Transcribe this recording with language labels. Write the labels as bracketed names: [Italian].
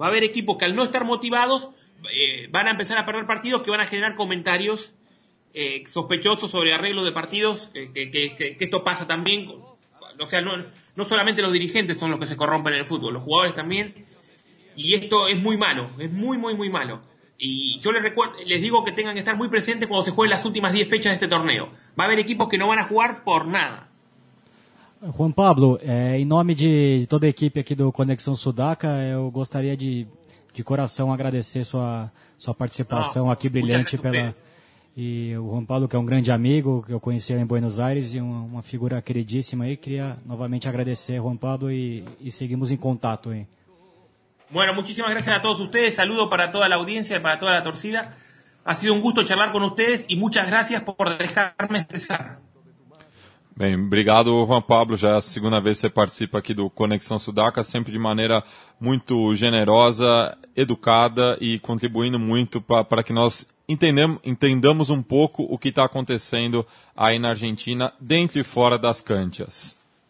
[Spanish] Va a haber equipos que, al no estar motivados, van a empezar a perder partidos, que van a generar comentarios sospechosos sobre arreglos de partidos, que esto pasa también. O sea, no solamente los dirigentes son los que se corrompen en el fútbol, los jugadores también. Y esto es muy malo, es muy, muy, muy malo. Y yo les digo que tengan que estar muy presentes cuando se jueguen las últimas 10 fechas de este torneo. Va a haber equipos que no van a jugar por nada. [Portuguese] Juan Pablo, em nome de toda a equipe aqui do Conexão Sudaca, eu gostaria de coração agradecer sua participação aqui brilhante pela... E o Juan Pablo, que é um grande amigo, que eu conheci em Buenos Aires, e uma figura queridíssima aí, queria novamente agradecer, Juan Pablo, e seguimos em contato. Hein? [Spanish] Bueno, muchísimas gracias a todos ustedes, saludo para toda la audiencia y para toda la torcida. Ha sido un gusto charlar con ustedes y muchas gracias por dejarme expresar. [Portuguese] Bem, obrigado, Juan Pablo, já é a segunda vez que você participa aqui do Conexão Sudaca, sempre de maneira muito generosa, educada e contribuindo muito para que nós entendamos um pouco o que está acontecendo aí na Argentina, dentro e fora das canchas.